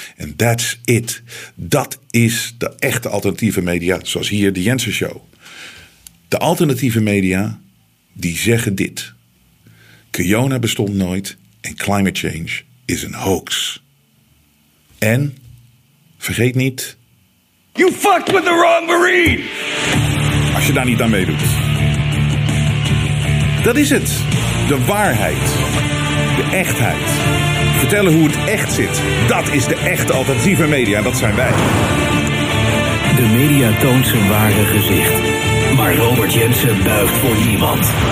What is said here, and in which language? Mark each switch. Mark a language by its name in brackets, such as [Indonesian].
[Dutch] En [English] that's it. [Dutch] Dat is de echte alternatieve media. Zoals hier de Jensen Show. De alternatieve media, die zeggen dit. Kiona bestond nooit en climate change is een hoax. En vergeet niet, [English] you fucked with the wrong marine! [Dutch] Als je daar niet aan meedoet. Dat is het. De waarheid. De echtheid. Vertellen hoe het echt zit. Dat is de echte alternatieve media. En dat zijn wij. De media toont zijn ware gezicht. Maar Robert Jensen buigt voor niemand.